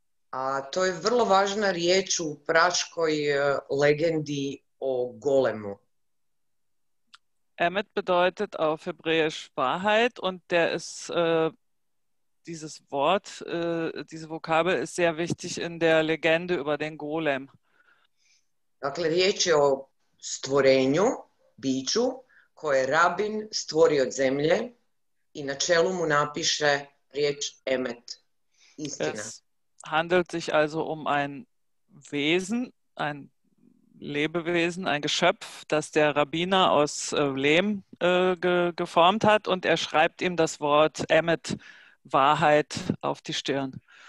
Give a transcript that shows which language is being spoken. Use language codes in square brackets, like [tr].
[hr] A to je vrlo važna riječ u praškoj legendi o golemu. [de] Emet bedeutet auf Hebräisch Wahrheit und der ist dieses Wort, diese Vokabel ist sehr wichtig in der Legende über den Golem. [hr] Dakle, riječ je o stvorenju, biću, koje rabin stvori od zemlje i na čelu mu napiše riječ Emet, istina. [de] Es handelt sich also um ein Wesen, ein Lebewesen, ein Geschöpf, das der Rabbiner aus Lehm geformt hat und er schreibt ihm das Wort Emet, Wahrheit, auf die Stirn.